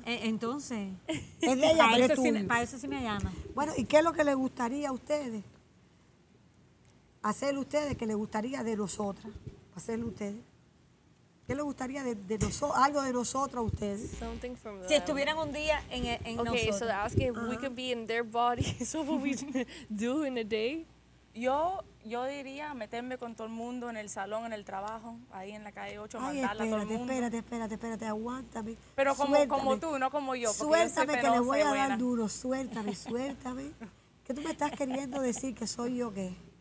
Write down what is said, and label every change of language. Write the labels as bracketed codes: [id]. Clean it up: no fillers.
[es] Entonces. Es de ella, pero es tuyo. Para eso sí me llama. Bueno, ¿y qué es lo que le gustaría a ustedes? Hacer ustedes, que le gustaría de nosotras. Hacerlo ustedes. ¿Qué le gustaría de nosotros, algo de nosotros a ustedes? [en] Something from them. [es] Si estuvieran un día en [en] okay, [es] nosotros. [en] Okay, so ask if we could be in their body. So what we do in a day? [es] Yo diría meterme con todo el mundo en el salón, en el trabajo, ahí en la calle 8, mandarla a todo el mundo. Espérate, aguántame. Pero como tú, no como yo. Suéltame, yo penosa, que le voy a buena. Dar duro. Suéltame. ¿Qué tú me estás queriendo decir que soy yo qué?